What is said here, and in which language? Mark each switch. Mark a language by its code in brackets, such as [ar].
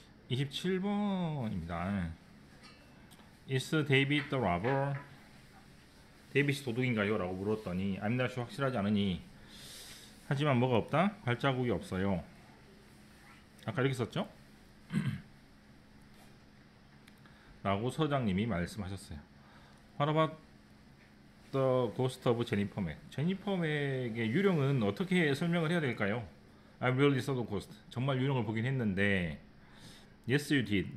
[ko] 27번입니다. [en] Is David the robber? [ko] 데이빗이 도둑인가요? 라고 물었더니 [en] I'm not sure [ko] 확실하지 않으니, 하지만 뭐가 없다? 발자국이 없어요. 아까 이렇게 썼죠? 라고 서장님이 말씀하셨어요. [en] What about the ghost of Jennifer Mac? [ko] Jennifer Mac의 유령은 어떻게 설명을 해야 될까요? [en] I really saw the ghost. [ko] 정말 유령을 보긴 했는데 [en] Yes, you did.